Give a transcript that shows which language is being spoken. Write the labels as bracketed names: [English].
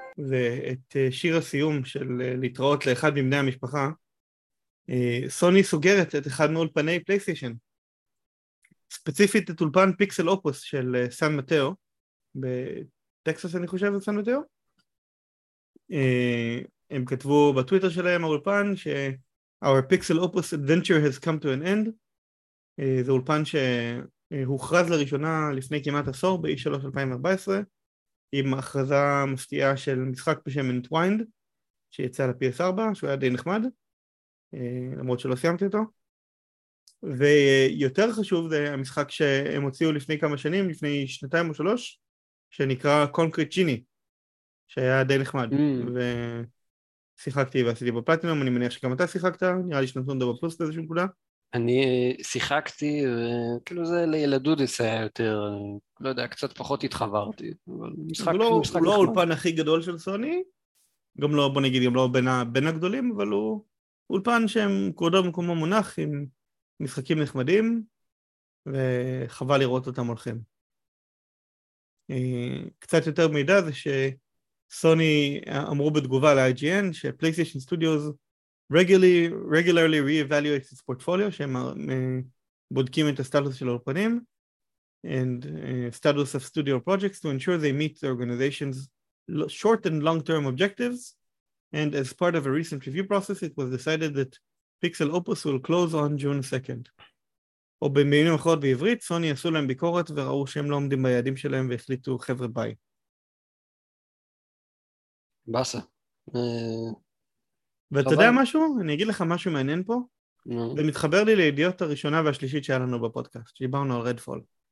[Hebrew] ואת שיר הסיום של להתראות לאחד מבני המשפחה, סוני סוגרת את אחד מאולפני פלייסטיישן, ספציפית את אולפן פיקסל אופוס של סן מטאו, בטקסס אני חושב את סן מטאו. הם כתבו בטוויטר שלהם האולפן ש [English] our pixel opus adventure has come to an end. [Hebrew] זה אולפן שהוכרז לראשונה לפני כמעט עשור ב-E3 2014, עם הכרזה מפתיעה של משחק בשם Entwined, שיצא ל-PS4, שהוא היה די נחמד, למרות שלא סיימתי אותו. ויותר חשוב זה המשחק שהם הוציאו לפני כמה שנים, לפני שנתיים או שלוש, שנקרא Concrete Genie, שהיה די נחמד. ושיחקתי ועשיתי בפלטינום, אני מניח שגם אתה שיחקת, נראה לי שנתון דבר פלוס באיזשהו נקודה. אני שיחקתי, וכאילו זה לילדודס היה יותר, לא יודע, קצת פחות התחברתי, אבל משחק לא, משחק לא אולפן הכי גדול של סוני, גם לא, בוא נגיד, גם לא בין הגדולים, אבל הוא אולפן שהם כבודו במקומו מונח עם משחקים נחמדים, וחבל לראות אותם הולכים. קצת יותר מידע זה שסוני אמרו בתגובה ל-IGN שפלייסטיישן סטודיוס [English] regularly re-evaluate its portfolio, [Hebrew] שהם בודקים את הסטטוס של האולפנים, [English] and status of studio projects to ensure they meet the organization's short and long-term objectives, and as part of a recent review process it was decided that Pixel Opus will close on June 2nd. [Hebrew] או במילים אחרות בעברית, סוני עשו להם ביקורת וראו שהם לא עומדים ביעדים שלהם והחליטו חבר'ה ביי. בסה. ואתה יודע משהו? אני אגיד לך משהו מעניין פה. זה מתחבר לי לידיעות הראשונה והשלישית שהיה לנו בפודקאסט, שדיברנו על רדפול.